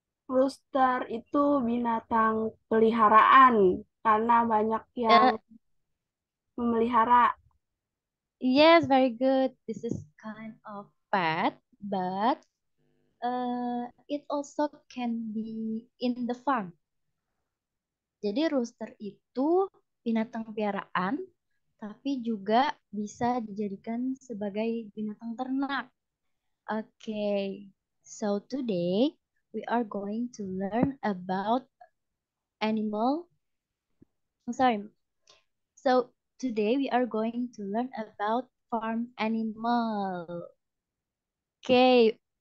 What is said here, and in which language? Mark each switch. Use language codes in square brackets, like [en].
[id] Rooster itu binatang peliharaan karena banyak yang memelihara. [en] Yes, very good. This is kind of pet, but it also can be in the farm. [id] Jadi rooster itu binatang piaraan, tapi juga bisa dijadikan sebagai binatang ternak. Okay, so today we are going to learn about animal. I'm sorry. So today we are going to learn about farm animal. Okay.